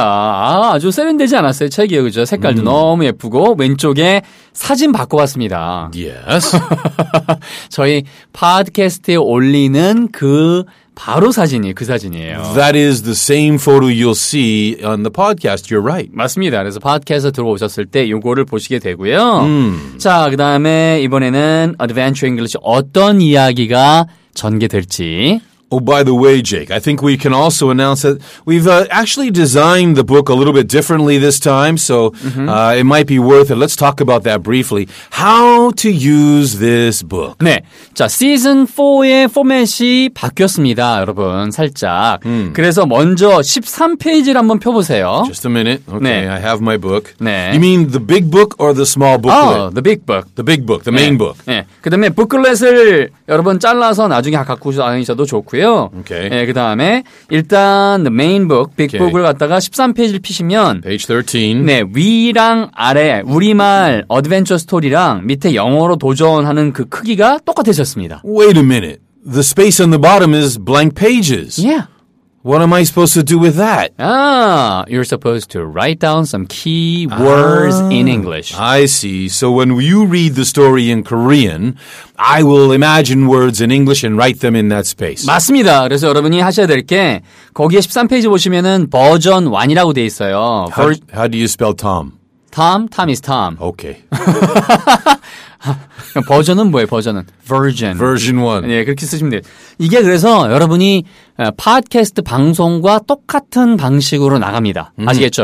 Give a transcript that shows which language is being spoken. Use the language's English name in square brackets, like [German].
[Korean] 아, 아주 세련되지 않았어요, 책이요. 그죠? 색깔도 너무 예쁘고, 왼쪽에 사진 바꿔봤습니다. [English] Yes. [Korean] 저희 팟캐스트에 올리는 그 바로 사진이 그 사진이에요. [English] That is the same photo you'll see on the podcast. You're right. [Korean] 맞습니다. 그래서 팟캐스트 들어오셨을 때 요거를 보시게 되고요. 자, 그 다음에 이번에는 Adventure English 어떤 이야기가 전개될지. [English] Oh, by the way, Jake, I think we can also announce that we've actually designed the book a little bit differently this time, so it might be worth it. Let's talk about that briefly. How to use this book. [Korean] 네, 자, 시즌 4의 포맷이 바뀌었습니다, 여러분, 살짝. 그래서 먼저 13페이지를 한번 펴보세요. [English] Just a minute. Okay, 네. I have my book. [Korean] 네. [English] You mean the big book or the small booklet? Oh, the big book. The big book, the main book. [Korean] 네, 그 다음에 booklet을 여러분 잘라서 나중에 갖고 다니셔도 좋고 [English] okay. [Korean] 네, 그 다음에 일단 [English] the main book, big okay. book [Korean] 을 갖다가 13페이지를 피시면 [English] page 13 [Korean] 네, 위랑 아래 우리말 adventure story랑 밑에 영어로 도전하는 그 크기가 똑같아졌습니다. [English] Wait a minute. The space on the bottom is blank pages. Yeah. What am I supposed to do with that? Ah, you're supposed to write down some key words in English. I see. So when you read the story in Korean, I will imagine words in English and write them in that space. [Korean] 맞습니다. 그래서 여러분이 하셔야 될 게 거기에 13페이지 보시면은 버전 1이라고 돼 있어요. [English] How do you spell Tom? Tom? Tom is Tom. Okay. [Korean] 버전은 뭐예요, 버전은? Version. [English] Version 1. [Korean] 예, 그렇게 쓰시면 돼요. 이게 그래서 여러분이 팟캐스트 방송과 똑같은 방식으로 나갑니다. 아시겠죠?